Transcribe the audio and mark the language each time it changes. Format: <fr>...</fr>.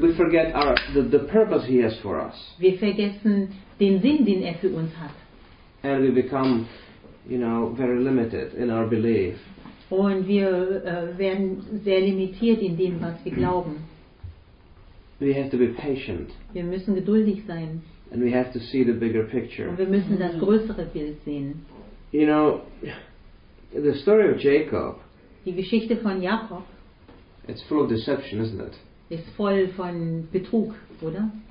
<en>We forget the purpose He has for us.</en> <de>Wir vergessen den Sinn, den er für uns hat.</de> <en>And we become, you know, very limited in our belief.</en> <de>Und wir werden sehr limitiert in dem, was wir glauben.</de> <en>We have to be patient.</en> <de>Wir müssen geduldig sein.</de> <en>And we have to see the bigger picture.</en> <de>Und wir müssen das größere Bild sehen.</de> <en>You know, the story of Jacob.</en> <de>Die Geschichte von Jakob.</de> <en>It's full of deception, isn't it?</en> <de>Ist voll von Betrug, oder?</de>